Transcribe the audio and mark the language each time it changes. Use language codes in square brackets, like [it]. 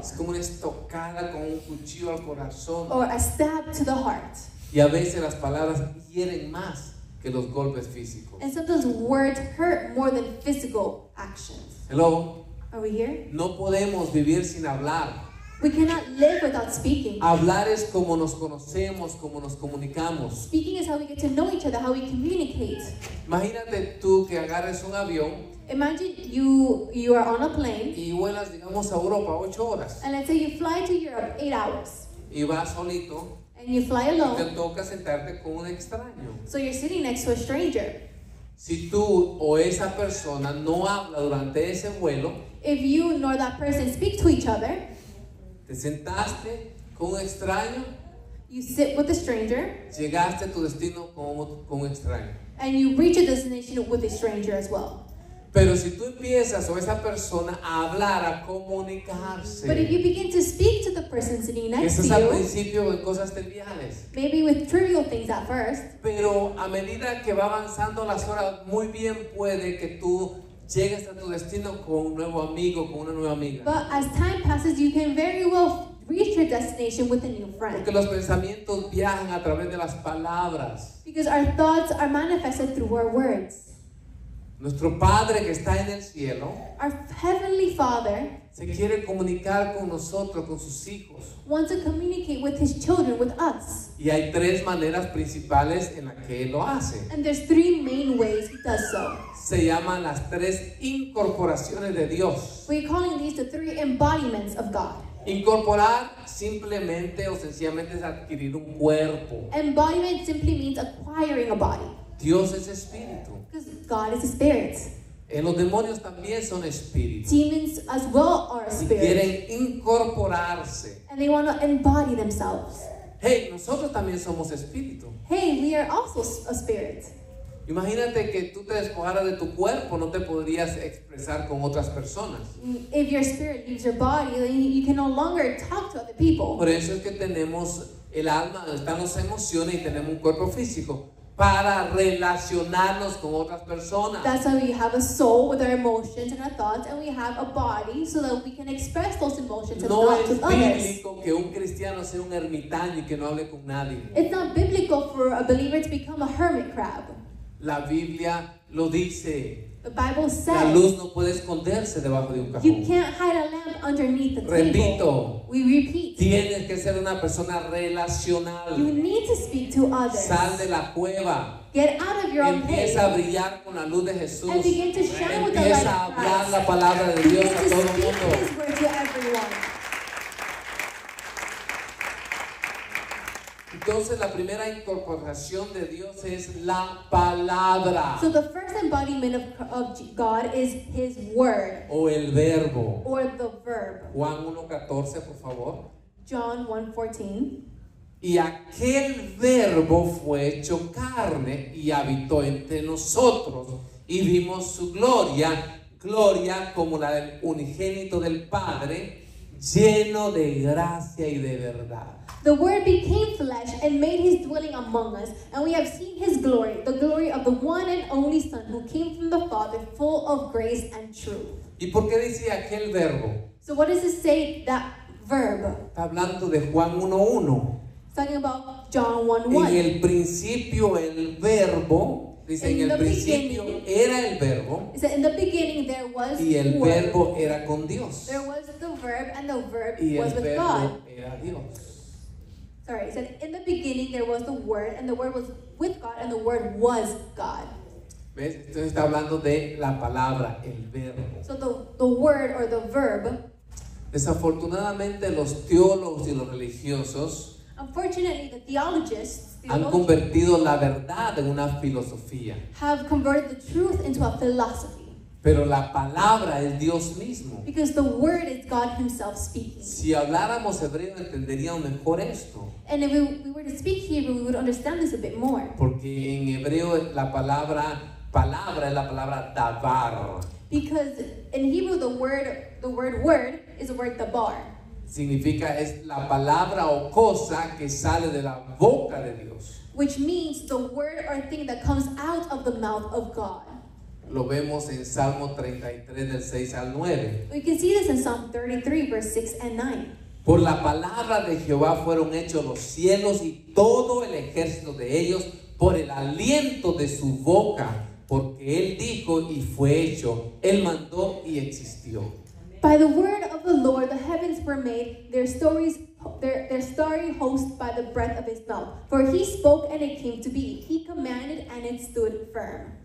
[es] Es como una estocada con un cuchillo al corazón. [en] Or a stab to the heart. [es] Y a veces las palabras hieren más que los golpes físicos. [en] And sometimes words hurt more than physical actions. Hello. Are we here? [es] No podemos vivir sin hablar. [en] We cannot live without speaking. [es] Hablar es como nos conocemos, como nos comunicamos. [en] Speaking is how we get to know each other, how we communicate. [es] Imagínate tú que agarres un avión. [en] Imagine you are on a plane. [es] Y vuelas, digamos, a Europa 8 horas. [en] And let's say you fly to Europe 8 hours. [es] Y vas solito. [en] And you fly alone. [es] Y te toca sentarte con un extraño. [en] So you're sitting next to a stranger. [es] Si tú o esa persona no habla durante ese vuelo, [en] if you nor that person speak to each other, [es] te sentaste con un extraño, [en] you sit with a stranger, [es] llegaste a tu destino con un extraño, [en] and you reach your destination with a stranger as well. [es] Pero si tú empiezas o esa persona a hablar, a comunicarse, [en] but if you begin to speak to the person sitting next to you, [es] eso es al principio de cosas triviales, [en] maybe with trivial things at first, [es] pero a medida que va avanzando las horas, muy bien puede que tú llegues a tu destino con un nuevo amigo, con una nueva amiga. [en] But as time passes, you can very well reach your destination with a new friend. [es] Porque los pensamientos viajan a través de las palabras. [en] Because our thoughts are manifested through our words. [es] Nuestro Padre que está en el cielo, [en] our Heavenly Father, [es] se quiere comunicar con nosotros, con sus hijos, [en] wants to communicate with his children, with us. [es] Y hay tres maneras principales en las que él lo hace. [en] And there's three main ways he does so. [es] Se llaman las tres incorporaciones de Dios. [en] We're calling these the three embodiments of God. [es] Incorporar simplemente o sencillamente es adquirir un cuerpo. [en] Embodiment simply means acquiring a body. [es] Dios es espíritu. [en] Because God is a spirit. [es] En los demonios también son espíritus. [en] Demons as well are spirits. [es] Quieren incorporarse. [en] And they want to embody themselves. [es] Hey, nosotros también somos espíritu. [en] Hey, we are also a spirit. [es] Imagínate que tú te despojaras de tu cuerpo, no te podrías expresar con otras personas. [en] If your spirit leaves your body, then you can no longer talk to other people. [es] Por eso es que tenemos el alma, están las emociones y tenemos un cuerpo físico. Para relacionarnos con otras personas. [en] That's why we have a soul with our emotions and our thoughts, and we have a body so that we can express those emotions and thoughts with others. [es] No es bíblico que un cristiano sea un ermitaño y que no hable con nadie. [en] It's not biblical for a believer to become a hermit crab. [es] La Biblia lo dice. [en] The Bible says. [es] La luz no puede esconderse debajo de un cajón. [en] You can't hide a lamp underneath the table. [es] Repito. [en] We repeat. [es] Tienes que ser una persona relacional. [en] You need to speak to others. [es] Sal de la cueva. [en] Get out of your own cave. [es] Empieza a brillar con la luz de Jesús. [en] And begin to shine with the light of Christ. [es] Empieza a hablar la palabra de Dios a todo el mundo. [en] Begin to speak His word to everyone. [es] Entonces la primera incorporación de Dios es la palabra. [en] So the first embodiment of God is His word. [es] O el verbo. [en] Or the verb. [es] Juan 1:14, por favor. [en] John 1:14. [es] Y aquel verbo fue hecho carne y habitó entre nosotros y vimos su gloria, gloria como la del unigénito del Padre, lleno de gracia y de verdad. [en] The word became flesh and made his dwelling among us, and we have seen his glory, the glory of the one and only Son who came from the Father, full of grace and truth. [es] ¿Y por qué dice aquel verbo? [en] So what does it say, that verb? [es] Está hablando de Juan 1:1. [en] It's talking about John 1:1. [es] En el principio el verbo, dice, en el principio era el verbo. [en] It said, in the beginning there was [es] y el verbo era con Dios. [en] There was the verb and the verb [es] y [en] was with God. [es] Y el verbo era Dios. [en] Sorry, it said, in the beginning there was the Word, and the Word was with God, and the Word was God. [es] ¿Ves? Entonces está hablando de la palabra, el verbo. [en] So the Word or the verb. [es] Desafortunadamente, los teólogos y los religiosos, [en] unfortunately, the theologians [es] han convertido la verdad en una filosofía. [en] Have converted the truth into a philosophy. [es] Pero la palabra es Dios mismo. [en] Because the word is God himself speaking. [es] Si habláramos hebreo entenderíamos mejor esto. [en] And if we were to speak Hebrew we would understand this a bit more. [es] Porque en hebreo la palabra es la palabra dabar. [en] Because in Hebrew the word is the word dabar. [es] Significa es la palabra o cosa que sale de la boca de Dios. [en] Which means the word or thing that comes out of the mouth of God. [es] Lo vemos en Salmo 33, del 6 al 9. [en] We can see this in Psalm 33, verse 6 and 9. [es] Por la palabra de Jehová fueron hechos los cielos y todo el ejército de ellos, por el aliento de su boca, porque él dijo y fue hecho, él mandó y existió. [en] By the word of the Lord, the heavens were made, their starry host by the breath of his mouth. For he spoke and it came to be, he commanded and it stood firm.